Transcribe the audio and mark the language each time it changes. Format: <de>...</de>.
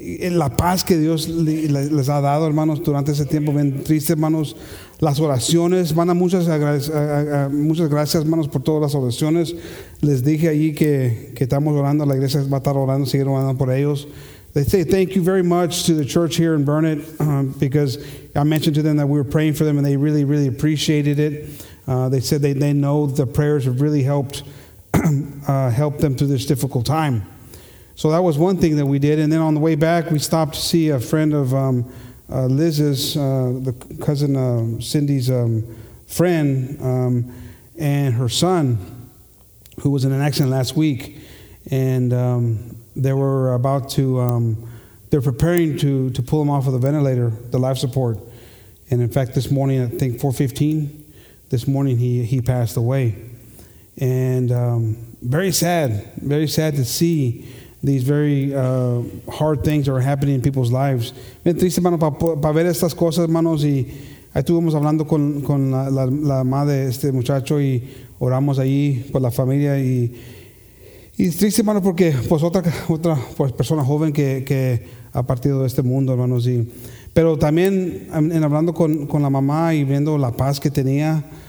<es>La paz que Dios les ha dado, hermanos, durante ese tiempo bien triste, hermanos. Las oraciones, van a muchas gracias, hermanos, por todas las oraciones. Les dije allí que estamos orando, la iglesia va a estar orando, siguen orando por ellos.</es> <en>They say thank you very much to the church here in Burnet because I mentioned to them that we were praying for them and they really, really appreciated it. They said they know the prayers have really helped help them through this difficult time. So that was one thing that we did. And then on the way back, we stopped to see a friend of Liz's, the cousin of Cindy's friend, and her son, who was in an accident last week. And they were about to, they're preparing to pull him off of the ventilator, the life support. And in fact, this morning, I think 4:15, this morning he passed away. And very sad to see these very hard things are happening in people's lives.</en> <es>Me triste, hermano, para ver estas cosas, hermanos, y estuvimos hablando con la madre de este muchacho y oramos allí por la familia y es triste, hermano, porque pues otra pues persona joven que ha partido de este mundo, hermanos, y pero también en hablando con la mamá y viendo la paz que tenía.</es>